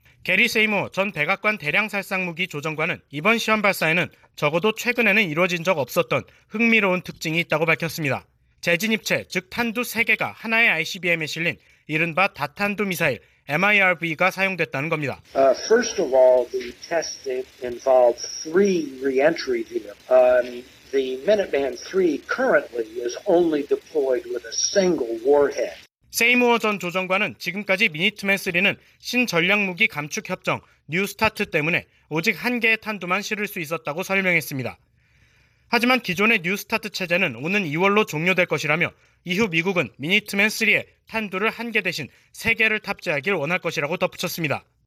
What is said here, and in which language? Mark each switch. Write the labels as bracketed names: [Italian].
[Korean] 게리 세이모 전 백악관 대량살상무기 조정관은 이번 시험 발사에는 적어도 최근에는 이루어진 적 없었던 흥미로운 특징이 있다고 밝혔습니다. 재진입체, 즉 탄두 3개가 하나의 ICBM에 실린 이른바 다탄두 미사일 MIRV가 사용됐다는 겁니다. [English] First of all, the testing involved three re-entry vehicles. The Minuteman III currently is only deployed with a single warhead. [Korean] 세이무어 전 조정관은 지금까지 미니트맨 3는 신전략무기 감축 협정 뉴 스타트 때문에 오직 한 개의 탄두만 실을 수 있었다고 설명했습니다. 하지만 기존의 뉴 스타트 체제는 오는 2월로 종료될 것이라며 이후 미국은 미니트맨 3에 탄두를 한 개 대신 세 개를 탑재하길 원할 것이라고 덧붙였습니다.